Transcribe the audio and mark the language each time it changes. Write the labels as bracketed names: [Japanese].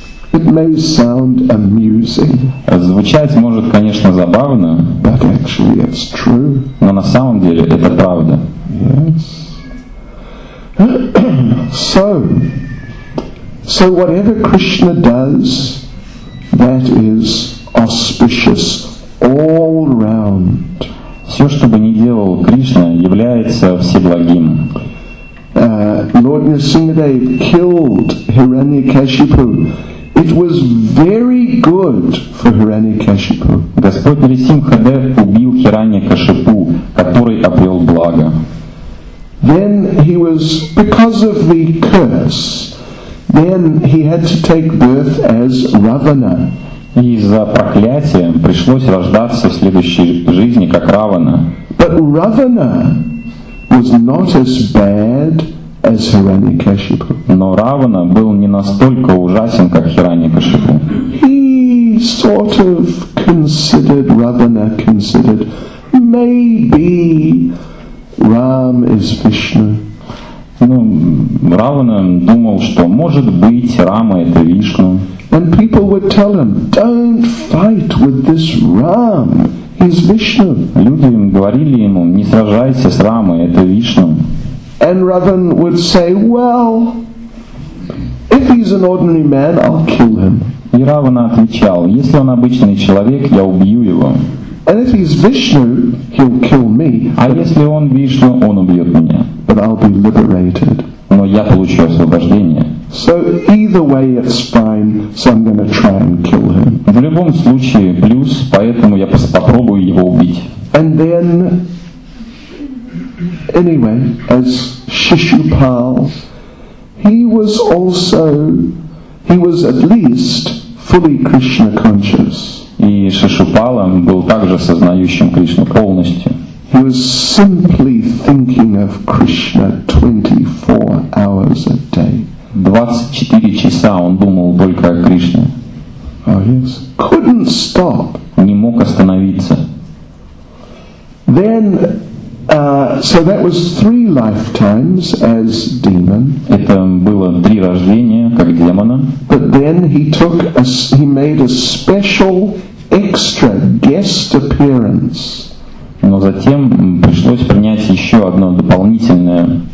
[English] It may sound amusing. [Russian] Звучать может, конечно, забавно. [English] But actually, it's true. [Russian] Но на самом деле это правда. [English] Yes. So whatever Krishna does, that is auspicious all round. [Russian] Все, что бы ни делал Кришна, является всеблагим. [English] Lord Nrsimhadev killed Hiranyakashipu. It was very good for Hiranyakashipu. [Russian] Господь Нрсимхадев убил Хираньякашипу, который обрел благо. [English] Then he was, because of the curse, then he had to take birth as Ravana. [Russian] Из-за проклятия пришлось рождаться в следующей жизни как Равана. [English] But Ravana was not as bad as Hiranyakashipu. [Russian] Но Равана был не настолько ужасен, как Хиранья-кашипу. [English] He sort of considered, Ravana considered, maybe Ram is Vishnu. [Russian] Ну, Равана думал, что может быть Рама это Вишну. [English] And people would tell him, don't fight with this Ram, he's Vishnu. [Russian] Люди говорили ему, не сражайся с Рамой, это Вишну. [English] And Ravan would say, well, if he's an ordinary man, I'll kill him. [Russian] И Равана отвечал, если он обычный человек, я убью его. [English] And if he's Vishnu, he'll kill me. [Russian] А если он Вишну, он убьет меня. [English] But I'll be liberated. [Russian] Но я получу освобождение. [English] So either way it's fine, so I'm going to try and kill him. [Russian] В любом случае плюс, поэтому я попробую его убить. [English] And then, anyway, as Shishupal, he was at least fully Krishna conscious. [Russian] И Шишупала был также сознающим Кришну полностью. [English] He was simply thinking of Krishna 24 hours a day. [Russian] 24 часа он думал только о Кришне. [English] Oh, yes. Couldn't stop. [Russian] Не мог остановиться. [English] Then, so that was three lifetimes as demon. [Russian] Это было три рождения как демона. [English] But then he made a special extra guest appearance. [Russian] Но затем пришлось принять еще одно дополнительное